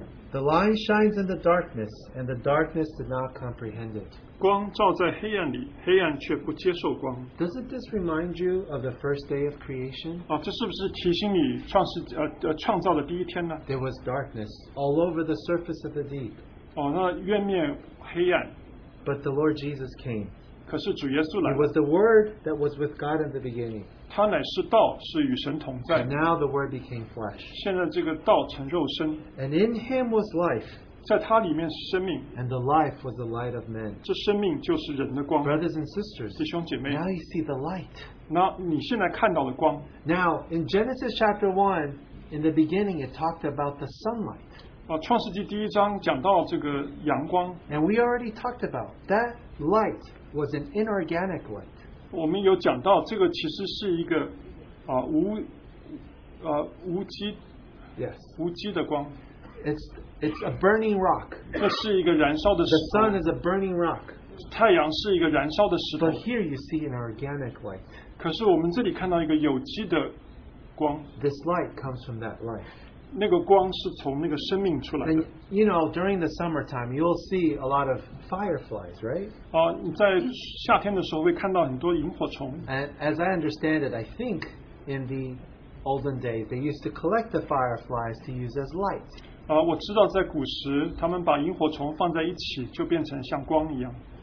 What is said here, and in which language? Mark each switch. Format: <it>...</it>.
<en>the light shines in the darkness, and the darkness did not comprehend it.</en> <zh>光照在黑暗里,</zh> <en>doesn't this remind you of the first day of creation?</en> <zh>这是不是提醒你创造的第一天呢?</zh> <en>There was darkness all over the surface of the deep.</en> <zh>那渊面黑暗,</zh> <en>but the Lord Jesus came.</en> <zh>可是主耶稣来了,</zh> <en>it was the Word that was with God in the beginning.</en> <zh>他乃是道, 是与神同在,</zh> <en>and now the Word became flesh.</en> <zh>现在这个道成肉身,</zh> <en>and in him was life.</en> <zh>在他里面是生命,</zh> <en>and the life was the light of men.</en> <zh>这生命就是人的光,</zh> <en>brothers and sisters,</en> <zh>弟兄姐妹,</zh> <en>now you see the light.</en> <zh>那你现在看到的光,</zh> <en>now, in Genesis chapter 1, in the beginning, it talked about the sunlight.</en> <zh>创世纪第一章讲到这个阳光,</zh> <en>and we already talked about that light was an inorganic light.</en> <zh>我们有讲到这个其实是一个, 无机,</zh> <en>yes.</en> <zh>无机的光,</zh> <en>it's a burning rock.</en> <zh>这是一个燃烧的石头,</zh> <en>the sun is a burning rock.</en> <zh>太阳是一个燃烧的石头,</zh> <en>but here you see an organic light.</en> <zh>可是我们这里看到一个有机的光,</zh> <en>this light comes from that life.</en> <zh>那个光是从那个生命出来的,</zh> <en>and you know, during the summertime, you'll see a lot of fireflies, right?</en> <zh>在夏天的时候会看到很多萤火虫。</zh> <en>And as I understand it, I think in the olden days, they used to collect the fireflies to use as light.</en> <zh>我知道在古时, 他们把萤火虫放在一起, 就变成像光一样。</zh>